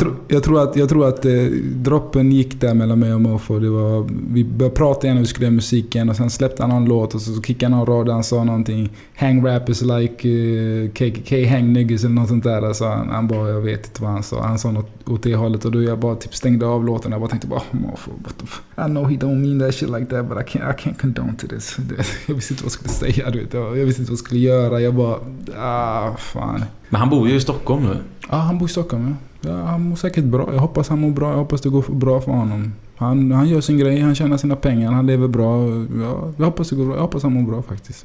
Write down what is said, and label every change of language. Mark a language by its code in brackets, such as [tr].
[sv] Jag tror att droppen gick där mellan mig och Mofa. Vi började prata igen när vi skulle göra musiken, och sen släppte han någon låt, och så kickade han en rad, han sa någonting. [en] Hang rappers like KKK, hang niggas eller något sånt där. [sv] Så han bara, jag vet inte vad han sa. Han sa något åt det hållet, och då jag bara typ stängde av låten. [en] Jag bara tänkte bara, Mofa, what the fuck? I know he don't mean that shit like that, but I can't condone to this. [sv] Jag visste inte vad jag skulle säga, du vet. Jag visste inte vad jag skulle göra. Jag bara, ah, fan. Men han bor ju i Stockholm nu. Ja, han bor i Stockholm. Ja. Ja, han mår säkert bra. Jag hoppas han mår bra. Jag hoppas det går bra för honom. Han gör sin grej. Han tjänar sina pengar. Han lever bra. Ja, jag hoppas det går bra. Jag hoppas han mår bra faktiskt.